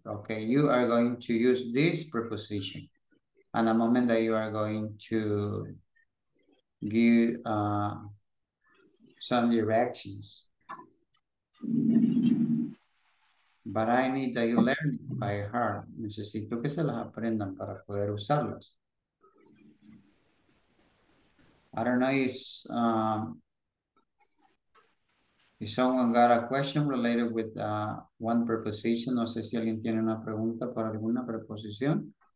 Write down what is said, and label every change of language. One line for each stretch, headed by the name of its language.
English: Okay, you are going to use this preposition. And the moment that you are going to give some directions. But I need that you learn by heart.
Spanish: Necesito que se las aprendan para poder usarlas.
English: I don't know if someone got a question related with one preposition.
Spanish: No sé si alguien tiene una pregunta para alguna preposición.